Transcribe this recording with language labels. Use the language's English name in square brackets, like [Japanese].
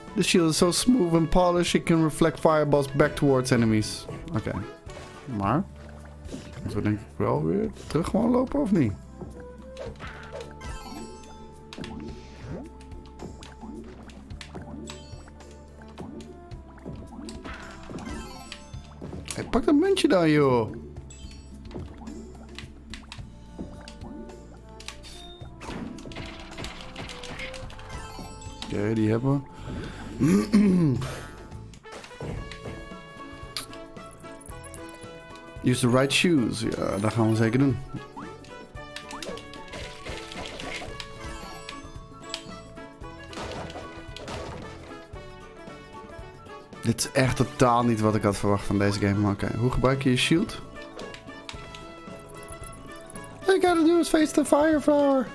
[English] The shield is so smooth and polished, it can reflect fireballs back towards enemies. Oké. Okay. [Dutch] Maar, moeten we denk ik wel weer terug gewoon lopen of niet? Hey, pak dat muntje dan, joh. Oké, okay, die hebben we. [English] Use the right shoes. [Dutch] Ja, dat gaan we zeker doen. Dit is echt totaal niet wat ik had verwacht van deze game. Maar oké, hoe gebruik je je shield? [English] All you gotta do is face the fire flower.